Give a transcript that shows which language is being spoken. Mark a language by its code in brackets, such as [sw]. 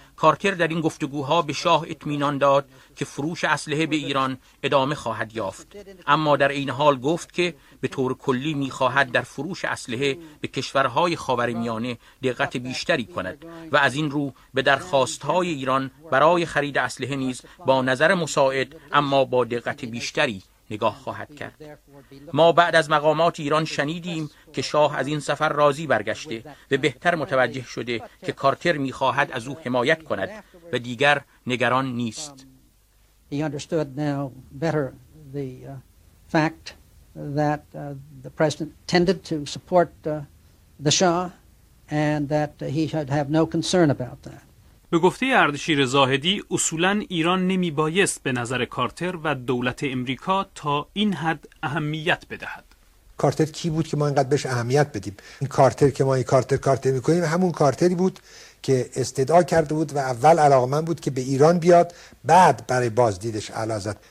[fa] کارتر در این گفتگوها به شاه اطمینان داد که فروش اسلحه به ایران ادامه خواهد یافت، اما در این حال گفت که به طور کلی می‌خواهد در فروش اسلحه به کشورهای خاورمیانه دقت بیشتری کند و از این رو به درخواست‌های ایران برای خرید اسلحه نیز با نظر مساعد اما با دقت بیشتری نگاه خواهد کرد. ما بعد از مقامات ایران شنیدیم که شاه از این سفر راضی برگشته و بهتر متوجه شده که کارتر می‌خواهد از او حمایت کند و دیگر نگران نیست. [en] He understood now better the fact that the president tended to support the Shah and that he should have no concern about that. [fa] به گفته اردشیر زاهدی، اصولاً ایران نمی بایست به نظر کارتر و دولت امریکا تا این حد اهمیت بدهد. کارتر کی بود که ما اینقدر بهش اهمیت بدیم؟ این کارتر که ما این کارتر می کنیم همون کارتری بود که استدعا کرده بود و اول علاقمند بود که به ایران بیاد، بعد برای بازدیدش علازت.